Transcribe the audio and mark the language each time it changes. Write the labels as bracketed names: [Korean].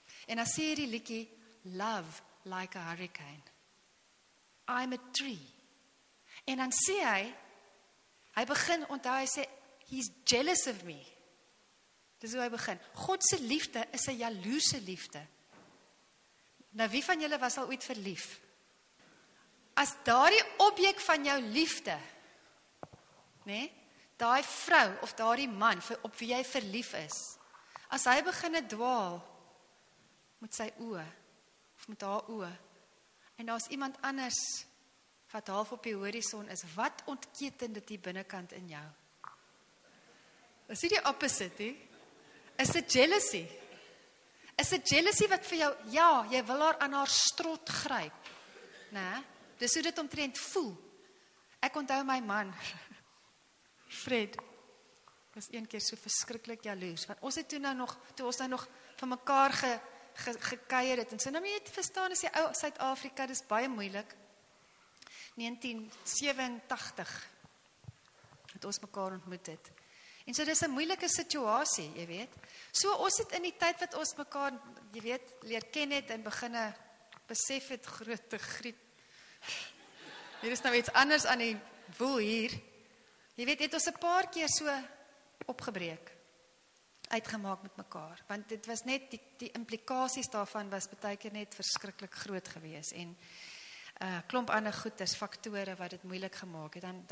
[Afrikaans] En dan sê hierdie liedjie, [English] love like a hurricane. I'm a tree. [Afrikaans] En dan sê hy begin onthou, hy sê, [English] he's jealous of me. [Afrikaans] Dis hoe hy begin. God se liefde is 'n jaloerse liefde. Nou wie van julle was al ooit verlief? As daardie objek van jou liefde, nê? Daai vrou of daardie man vir op wie jy verlief is. As hy begin dwaal met sy oë of met haar oë en daar's iemand anders wat half op die horison is, wat ontketen dit die binnekant in jou? Is dit die opposite, hè? Is dit jealousy? Is dit jealousy wat vir jou, ja, jy wil haar aan haar strot gryp. Né? Dis hoe dit omtrent voel. Ek onthou my man, Fred, was een keer so verskriklik jaloers, want ons het toe ons nou nog van mekaar gekuier het, en sy nou nie te verstaan, is die ou Suid-Afrika, dis baie moeilik. 1987, het ons mekaar ontmoet het. En so dis 'n moeilike situasie, jy weet. So ons het in die tyd wat ons mekaar, jy weet, leer ken het en beginne besef het grootte griep. Hier is nou iets anders aan die woel hier. Jy weet, het ons 'n paar keer so opgebreek, uitgemaak met mekaar. Want dit was net, die implikasies daarvan was baie keer net verskriklik groot gewees. En klomp ander goeders, faktore wat dit moeilik gemaak het.